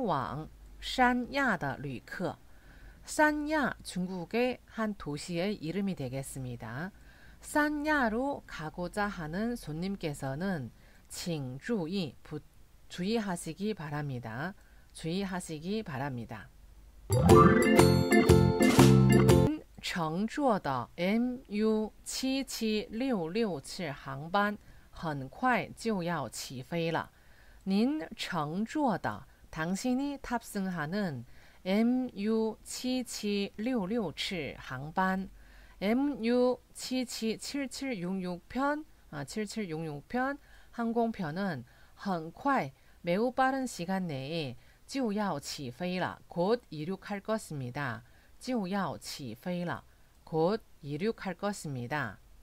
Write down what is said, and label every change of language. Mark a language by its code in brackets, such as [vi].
[zh] 三亚的旅客请注意，前往三亚的旅客。 [ko] 산야 중국의 한 도시의 이름이 되겠습니다. 산야로 가고자 하는 손님께서는 [zh] 请注意, [ko] 주의하시기 바랍니다. 주의하시기 바랍니다. [zh] 乘坐的 MU77667航班很快就要起飞了。您乘坐的 [ko] 당신이 탑승하는 [zh] MU77667航班 [ko] MU77776편 7766편 항공편은 [zh] 很快 [ko] 매우 빠른 시간 내에 [zh] 就要起飞了 [ko] 곧 이륙할 것입니다. [zh] 就要起飞了 [ko] 곧 이륙할 것입니다.